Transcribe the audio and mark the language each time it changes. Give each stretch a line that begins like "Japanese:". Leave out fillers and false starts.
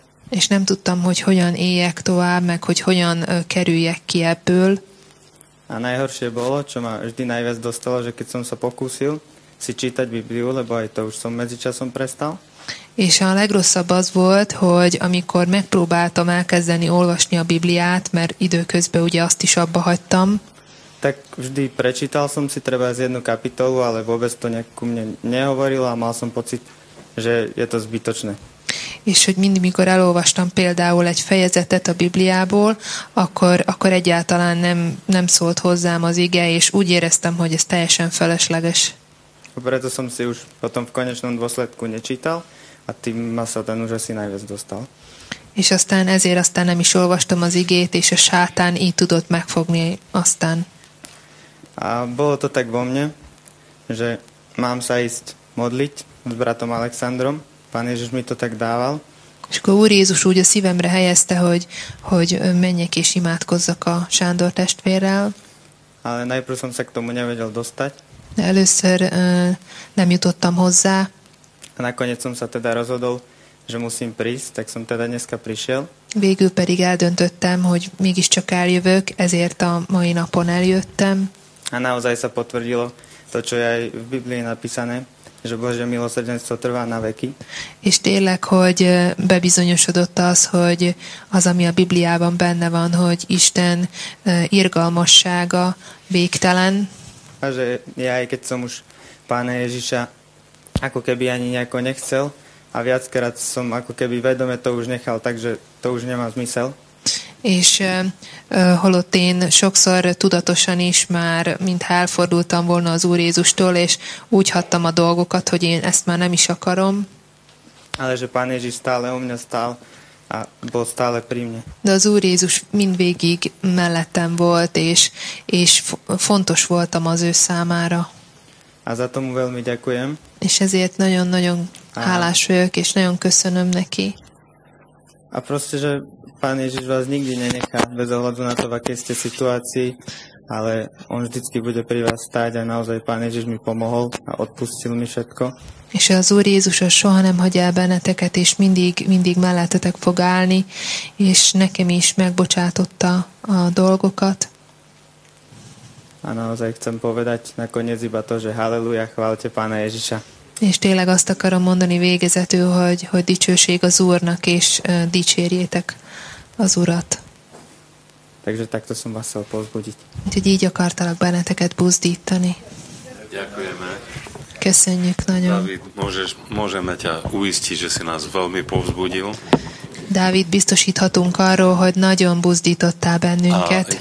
Hungarian: És nem tudtam, hogy hogyan éljek tovább, meg hogy hogyan kerüljek ki ebből.
Slovak: A najhoršie bolo, čo ma vždy najviac dostalo, že keď som sa pokúsil si čítať Bibliu, lebo aj to už som medzičasom prestal.
Hungarian: És a legrosszabb az volt, hogy amikor megpróbáltam elkezdeni olvasni a Bibliát, mert időközben ugye azt is abba hagytam.
Slovak: Tak vždy prečítal som si treba z jednu kapitolu, ale vôbec to nejakú mne nehovorilo a mal som pocit, že je to zbytočné.
Hungarian: És hogy mindig, mikor elolvastam például egy fejezetet a Bibliából, akkor egyáltalán nem szólt hozzám az ige, és úgy éreztem, hogy ez teljesen felesleges.
Slovak: Preto som si už potom v konečnom dôsledku nečítal, a tým ma sa ten už asi najviac dostal.
Hungarian: És aztán ezért aztán nem is olvastam az igét, és a sátán így tudott megfogni aztán.
Slovak: A bolo to tak vo mne, že mám sa ísť modliť s bratom Alexandrom. Pán Ježiš mi to tak dával.
Hungarian: És akkor Úr Jézus úgy a szívemre helyezte, hogy menjek és imádkozzak a Sándor testvérrel.
Slovak: Ale najprv som sa k tomu nevedel dostať.
Hungarian: De először nem jutottam hozzá.
Slovak: A nakoniec som sa teda rozhodol, že musím prísť, tak som teda dneska prišiel.
Hungarian: Végül pedig eldöntöttem, hogy mégiscsak eljövök, ezért a mai napon eljöttem.
Slovak: A naozaj sa potvrdilo to, čo je aj v Biblii napísané, že Božie milosrdenstvo trvá na veky.
Hungarian: És tényleg, hogy bebizonyosodott az, hogy az, ami a Bibliában benne van, hogy Isten irgalmassága végtelen.
Slovak: A že ja, aj keď som už Pána Ježiša ako keby ani nejako nechcel a viackrát som ako keby vedome to už nechal, takže to už nemá zmysel.
Hungarian: És holott én sokszor tudatosan is már, mintha elfordultam volna az Úr Jézustól, és úgy hattam a dolgokat, hogy én ezt már nem is akarom.
Slovak: Ale že Pán Ježiš stále o mňa stál a bol stále pri mne.
Hungarian: De az Úr Jézus mindvégig mellettem volt, és fontos voltam az ő számára.
Slovak: A za tomu veľmi ďakujem.
Hungarian: És ezért nagyon-nagyon hálás vagyok, és nagyon köszönöm neki.
Slovak: A proste, že Pán Ježiš vás nikdy nenechá, bez ohľadu na to, v akej ste situácii, ale on vždycky bude pri vás stáť a naozaj Pán Ježiš mi pomohol a odpustil mi všetko.
Hungarian: És az Úr Jézus soha nem hagyja el benneteket, és mindig mellettetek fog állni, és nekem is megbocsátotta a dolgokat.
Slovak: A naozaj chcem povedať nakoniec iba to, že halleluja, chváľte Pána Ježiša.
Hungarian: És tényleg azt akarom mondani végezetül, hogy dicsőség az Úrnak, és dicsérjétek az Urat.
Slovak: Takže takto som vás chcel pozbudiť.
Hungarian: Úgyhogy így akartalak benneteket buzdítani.
Slovak: Ďakujeme.
Hungarian: Köszönjük nagyon.
Slovak: Dávid, môžeme ťa uistiť, že si nás veľmi povzbudil.
Hungarian: Dávid, biztosíthatunk arról, hogy nagyon buzdítottál bennünket.